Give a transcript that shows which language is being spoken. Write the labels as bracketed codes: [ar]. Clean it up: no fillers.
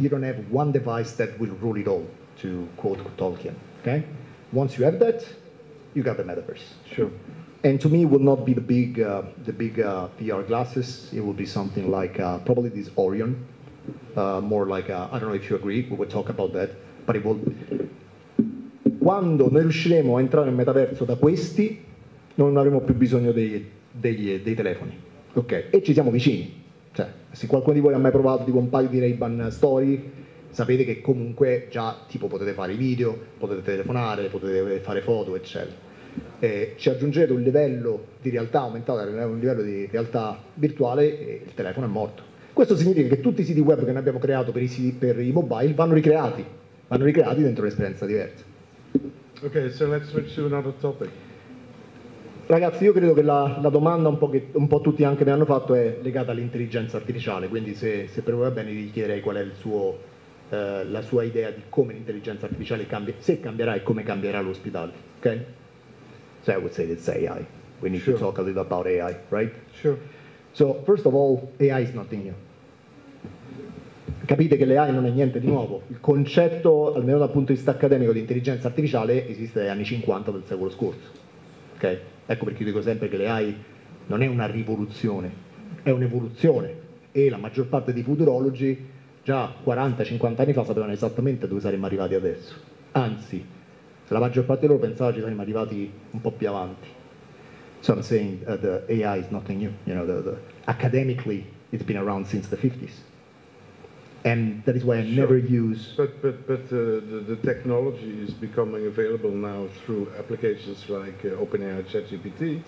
[en] You don't have one device that will rule it all, to quote Tolkien, okay? Once you have that, you got the metaverse. Sure. And to me, it will not be the big VR glasses. It will be something like probably this Orion, more like I don't know if you agree. We will talk about that. But it will. [it] Quando noi riusciremo a entrare nel metaverso da questi, non avremo più bisogno dei telefoni, ok? E ci siamo vicini. Cioè, se qualcuno di voi ha mai provato tipo un paio di Ray-Ban Story, sapete che comunque già tipo potete fare video, potete telefonare, potete fare foto, eccetera. E ci aggiungete un livello di realtà aumentata, un livello di realtà virtuale e il telefono è morto. Questo significa che tutti i siti web che noi abbiamo creato per i mobile vanno ricreati dentro un'esperienza diversa. [en] Ok, so let's switch to another topic. [it] Ragazzi, io credo che la domanda un po' tutti anche mi hanno fatto è legata all'intelligenza artificiale, quindi se per voi va bene vi chiederei qual è il suo la sua idea di come l'intelligenza artificiale cambia, se cambierà e come cambierà l'ospedale. [en] Okay? So I would say it's AI. We need to talk a little about AI, right? Sure. So, first of all, AI is nothing new. [it] Capite che l'AI non è niente di nuovo. Il concetto, almeno dal punto di vista accademico, di intelligenza artificiale esiste dagli anni 50 del secolo scorso. Okay? Ecco perché io dico sempre che l'AI non è una rivoluzione, è un'evoluzione. E la maggior parte dei futurologi già 40-50 anni fa sapevano esattamente dove saremmo arrivati adesso. Anzi, la maggior parte di loro pensava ci saremmo arrivati un po' più avanti. [en] So I'm saying the AI is nothing new. You know, the academically, it's been around since the 50s. And that is why I never use... But the technology is becoming available now through applications like OpenAI ChatGPT.